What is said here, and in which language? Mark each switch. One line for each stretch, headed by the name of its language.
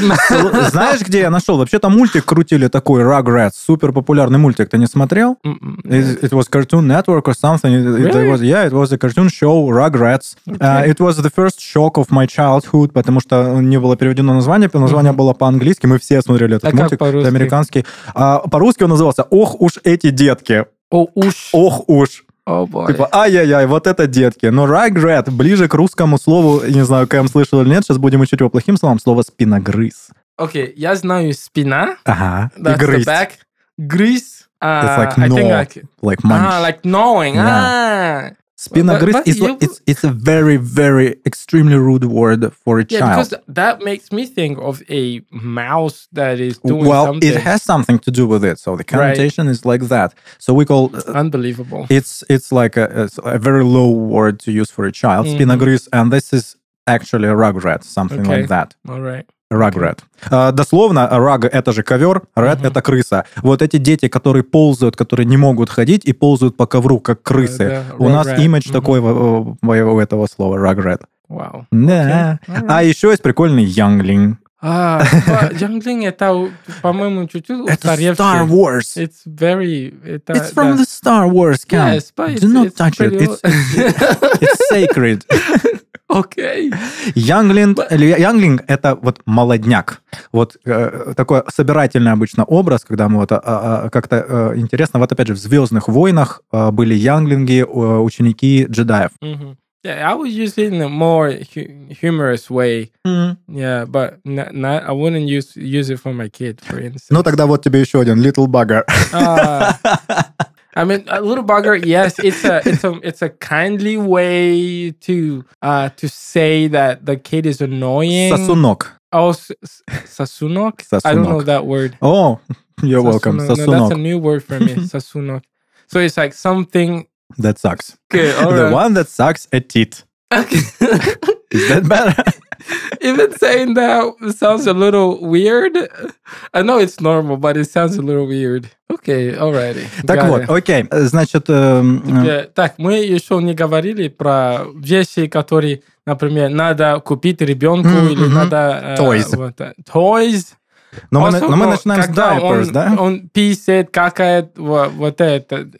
Russian: Знаешь, где я нашел? Вообще-то мультик крутили такой Rugrats, супер популярный мультик. Ты не смотрел?
English: It was Cartoon Network or something. Really? It was a cartoon show Rugrats. Okay. It was the first shock of my childhood,
Russian: потому что не было переведено название, название было по-английски. Мы все смотрели этот мультик, как это американский. По-русски он назывался «Ох уж эти детки». Ох уж. Типа, ай-яй-яй, вот это детки. Но Rugrat ближе к русскому слову, не знаю, Кэм слышал или нет, сейчас будем учить его плохим словом, слово спиногрыз. Окей, я знаю спина. Ага, и грызть.
English: That's the back.
Russian: Грызь.
English: It's like gnaw. Like munch. Like gnawing. Спиногрыз, it's a very, very extremely rude word for a child. Yeah, because that makes me think of a mouse that is doing something. Well, it has something to do with it. So the connotation is like that. So we call... Unbelievable. It's like a very low word to use for a child.
Russian: Mm-hmm. Спиногрыз.
English: And this is actually a rugrat, something okay. like that. All right. Rugrat.
Russian: Дословно, rug — это же ковер, rat uh-huh. — это крыса. Вот эти дети, которые ползают, которые не могут ходить и ползают по ковру, как крысы. У нас имидж uh-huh. такой у этого слова — rugrat. Вау. Да. Okay. Right. А еще есть прикольный youngling. Youngling — это, по-моему, чуть-чуть устаревший.
English: It's Star Wars. It's very... It's from the Star Wars camp. Yes, but do not touch it. It's sacred.
Russian: Окей.
English: Okay.
Russian: Youngling — это вот молодняк. Вот такой собирательный обычно образ, когда мы вот как-то интересно. Вот опять же, в «Звездных войнах» были younglings, ученики джедаев. Mm-hmm.
English: Yeah, I would use it in a more humorous way. Mm-hmm. Yeah, but not, I wouldn't use it for my kid, for instance.
Russian: Ну, тогда вот тебе еще один «Little Bugger».
English: I mean, a little bugger. Yes, it's a kindly way to say that the kid is annoying.
Russian: Сосунок.
English: Сосунок? I don't know that word. Oh, you're welcome. Сосунок. No, that's a new word for me. Сосунок. So it's like something that sucks. Okay, all right. The one that sucks a tit. Okay. Is that better? Even saying that sounds a little weird. I know it's normal, but it sounds a little weird. Okay, alrighty.
Russian: Так вот, окей. Значит, так, мы еще не говорили про вещи, которые, например, надо купить ребенку или надо...
English: Toys. Toys.
Russian: Но мы начинаем с diapers, да? Он писает, какает, вот это.